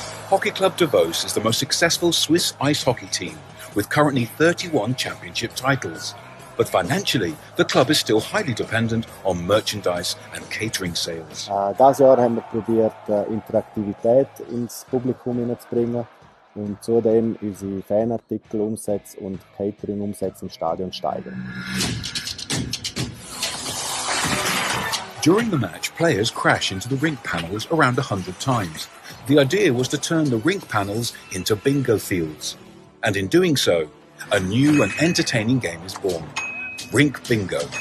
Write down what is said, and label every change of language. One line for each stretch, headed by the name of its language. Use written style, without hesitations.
English: Hockey Club Davos is the most successful Swiss ice hockey team, with currently 31 championship titles. But financially, the club is still highly dependent on merchandise and catering sales.
German: Dieses Jahr haben wir probiert, Interaktivität ins Publikum hineinzubringen und zudem unsere Fanartikelumsätze und Cateringumsätze im Stadion steigern.
English: During the match, players crash into the rink panels around 100 times. The idea was to turn the rink panels into bingo fields. And in doing so, a new and entertaining game is born. Rink Bingo.